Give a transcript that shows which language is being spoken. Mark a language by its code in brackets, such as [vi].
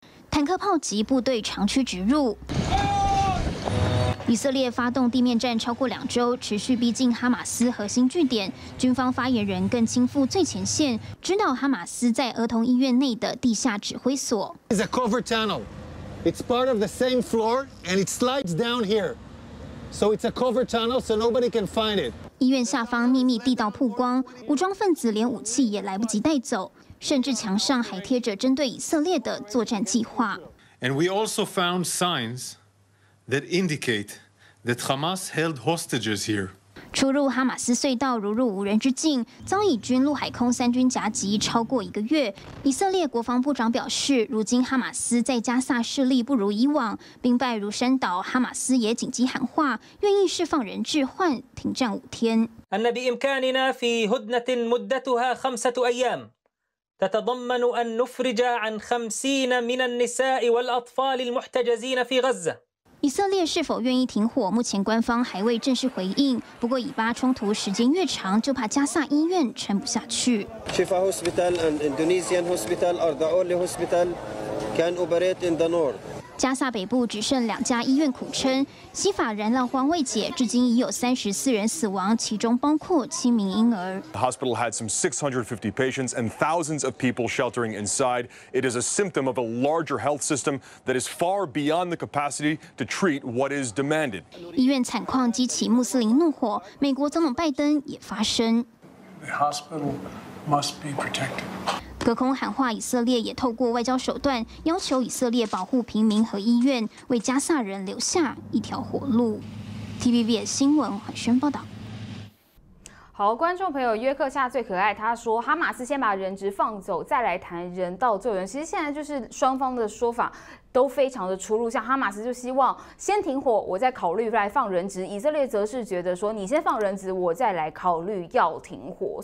[zh] 坦克炮击，部队长驱直入。以色列发动地面战超过2周，持续逼近哈马斯核心据点。军方发言人更亲赴最前线，指导哈马斯在儿童医院内的地下指挥所。 [en] It's a covert tunnel. It's part of the same floor, and it slides down here. So it's a covert tunnel, so nobody can find it. [zh] 医院下方秘密地道曝光，武装分子连武器也来不及带走，甚至墙上还贴着针对以色列的作战计划。 [en] And we also found signs. That indicate that Hamas held hostages here. [zh] 出入哈马斯隧道如入无人之境，遭以军、陆、海、空3军夹击超过1个月。以色列国防部长表示，如今哈马斯在加萨势力不如以往，兵败如山倒。哈马斯也紧急喊话，愿意释放人质换停战5天。 [ar] أن بإمكاننا في هدنة مدتها 5 أيام تتضمن أن نفرج عن 50 من النساء والأطفال المحتجزين في غزة. [zh] 以色列是否愿意停火，目前官方还未正式回应。不过以巴冲突时间越长，就怕加萨医院撑不下去。 [en] Shifa Hospital and Indonesian Hospital are the only hospital can operate in the north. [zh] 加萨北部只剩2家医院苦撑，西法燃料荒未解，至今已有34人死亡，其中包括7名婴儿。 [en] The hospital had some 650 patients and thousands of people sheltering inside. It is a symptom of a larger health system that is far beyond the capacity to treat what is demanded. [zh] 医院惨况激起穆斯林怒火，美国总统拜登也发声。 [en] The hospital must be protected. [zh] 隔空喊话，以色列也透过外交手段要求以色列保护平民和医院，为加萨人留下一条活路。 TVB 新闻海宣报道。好，观众朋友约克夏最可爱，他说哈马斯先把人质放走，再来谈人道救援。其实现在就是双方的说法都非常的出入，像哈马斯就希望先停火，我再考虑来放人质；以色列则是觉得说你先放人质，我再来考虑要停火。